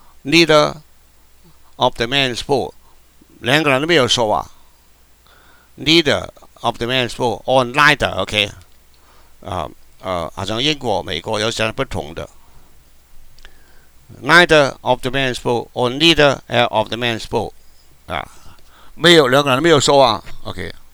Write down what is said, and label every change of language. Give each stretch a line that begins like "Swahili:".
English: Neither of the man spoke.
Chinese: 两个人都没有说话。
English: Neither of the man spoke, or neither, okay?
Chinese: 好像英国、美国有些不同的。
English: Neither of the man spoke, or neither of the man spoke.
Chinese: 没有两个人没有说啊, okay?